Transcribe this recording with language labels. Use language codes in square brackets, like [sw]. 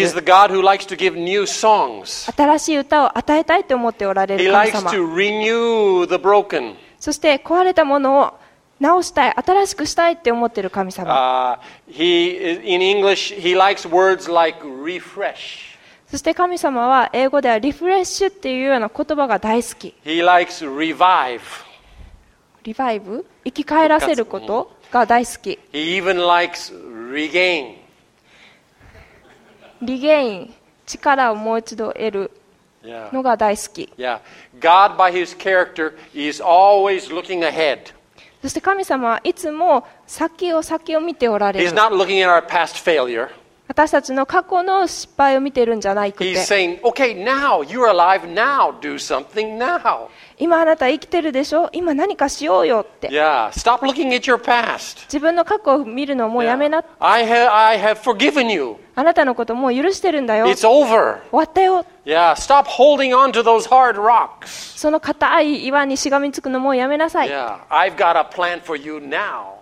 [en] He is the God who likes to give new songs. [ja] 新しい歌を与えたいと思っておられる神様。 [en] He likes to renew the broken. [ja] そして壊れたものを直したい、新しくしたいって思っている神様。 [en] In English, he likes words like refresh. [ja] そして神様は英語ではリフレッシュっていうような言葉が大好き。 [en] He likes revive. [ja] リバイブ？生き返らせることが大好き。 [en] He even likes regain. [ja] リゲイン、力をもう一度得るのが大好き。 [en] Yeah. Yeah. God by his character is always looking ahead. [ja] そして神様はいつも先を見ておられる。 [en] He's not looking at our past failure. [ja] 私たちの過去の失敗を見ているんじゃないくて、 [en] He's saying, okay, now, you're alive now, do something now. [ja] 今あなた生きてるでしょ、今何かしようよって。 [en] Yeah, stop looking at your past. [ja] 自分の過去を見るのもうやめな。 [en] Yeah. I have forgiven you. [ja] あなたのこともう許してるんだよ。 [en] It's over. [ja] 終わったよ。 [en] Yeah, stop holding on to those hard rocks. [ja] その固い岩にしがみつくのもうやめなさい。 [en] Yeah, I've got a plan for you now.